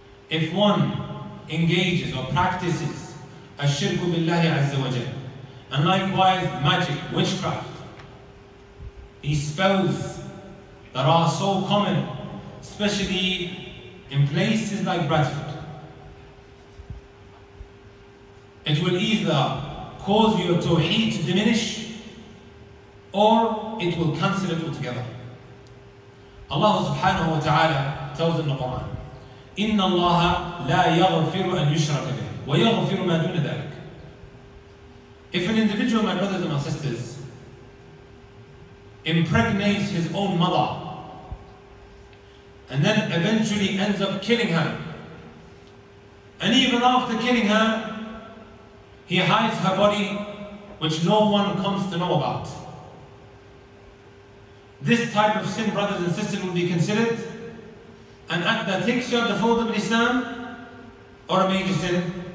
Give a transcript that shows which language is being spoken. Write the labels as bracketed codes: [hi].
[en] If one engages or practices ash-shirku billahi azza wa jal, and likewise magic, witchcraft, these spells that are so common, especially in places like Bradford, it will either cause your tawheed to diminish or it will cancel it altogether. Allah subhanahu wa ta'ala tells in the Quran, [ar] إِنَّ اللَّهَ لَا يَغْفِرُ أَنْ يُشْرَكَ بِهِ وَيَغْفِرُ مَا دُونَ ذَلِكَ. [en] If an individual, my brothers and my sisters, impregnates his own mother and then eventually ends up killing her, and even after killing her, he hides her body, which no one comes to know about, this type of sin, brothers and sisters, will be considered an act that takes you out the fold of Islam, or a major sin?